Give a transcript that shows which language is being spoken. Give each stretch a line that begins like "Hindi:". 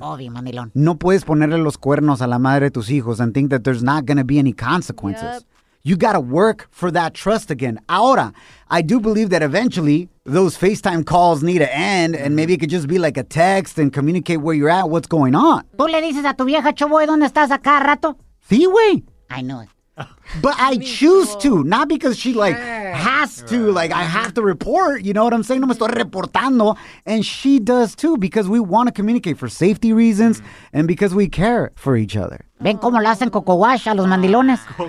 Spanish: Obvio, mandilón. No puedes ponerle los cuernos a la madre de tus hijos
English: and think that there's not going to be any consequences. Yep. You gotta work for that trust again.
Spanish: Ahora,
English: I do believe that eventually those FaceTime calls need to end, and maybe it could just be like a text and communicate where you're at, what's going on.
Spanish: ¿Tú le dices a tu vieja, Choboy, dónde estás a cada rato? Sí, güey.
English: I know it. But I choose to, not because she, like, has to. Like, I have to report, you know what I'm saying?
Spanish: No me estoy reportando.
English: And she does, too, because we want to communicate for safety reasons and because we care for each other.
Spanish: ¿Ven cómo lo hacen Coco Wash a los mandilones?